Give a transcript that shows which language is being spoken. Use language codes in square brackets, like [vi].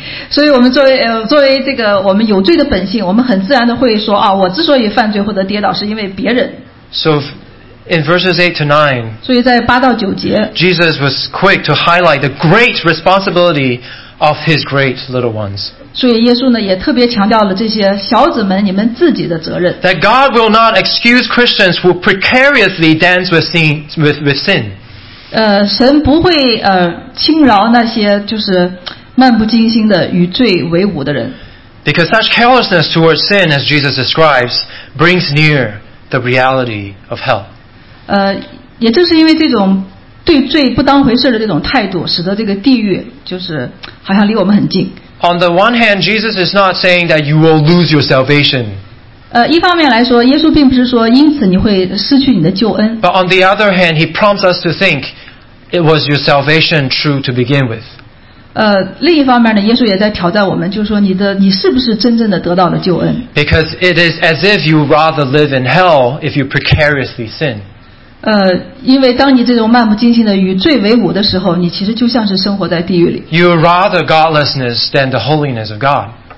[zh] 所以我们作为这个我们有罪的本性，我们很自然的会说啊，我之所以犯罪或者跌倒，是因为别人。 [en] So. In verses 8 to 9, [zh] 所以在八到九节 [en] Jesus was quick to highlight the great responsibility of his great little ones. [zh] 所以耶稣呢也特别强调了这些小子们你们自己的责任 [en] That God will not excuse Christians who precariously dance with sin. [zh] 神不会轻饶那些就是漫不经心的与罪为伍的人 [en] Because such carelessness towards sin, as Jesus describes, brings near the reality of hell. [zh] 也正是因为这种对罪不当回事的这种态度，使得这个地狱就是好像离我们很近。 [en] On the one hand, Jesus is not saying that you will lose your salvation. [zh] 一方面来说，耶稣并不是说因此你会失去你的救恩。 [en] But on the other hand, he prompts us to think it was your salvation true to begin with. [zh] 另一方面呢，耶稣也在挑战我们，就是说你是不是真正的得到了救恩 [en] ？Because it is as if you rather live in hell if you precariously sin. [zh] 因为当你这种漫不经心的与罪为伍的时候，你其实就像是生活在地狱里。 [en] You rather godlessness than the holiness of God.